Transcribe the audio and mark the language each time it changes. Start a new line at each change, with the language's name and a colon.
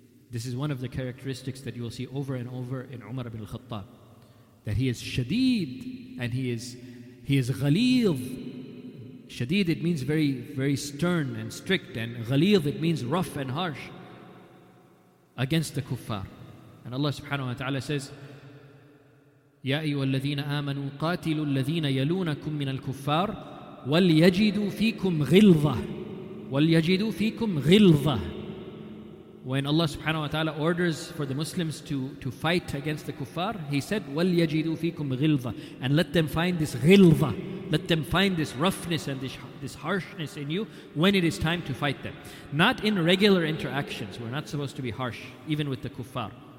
English: This is one of the characteristics that you will see over and over in Umar ibn al-Khattab. That he is shadeed and he is ghaleel. Shadeed, it means very, very stern and strict, and ghaleel, it means rough and harsh against the kuffar. And Allah subhanahu wa ta'ala says,
Arabic: يَا أَيُّوَا الَّذِينَ آمَنُوا قَاتِلُوا الَّذِينَ يَلُونَكُمْ مِنَ الْكُفَّارِ وَلْيَجِدُوا فِيكُمْ غِلْظَةً وَلْيَجِدُوا فِيكُمْ غِلْظَةً.
English: When Allah subhanahu wa ta'ala orders for the Muslims to fight against the kuffar, He said,
Arabic: وَلْيَجِدُوا فِيكُمْ غِلْظَةً.
English: And let them find this غِلْظَةً. Let them find this roughness and this harshness in you when it is time to fight them. Not in regular interactions. We're not supposed to be harsh, even with the kuffar.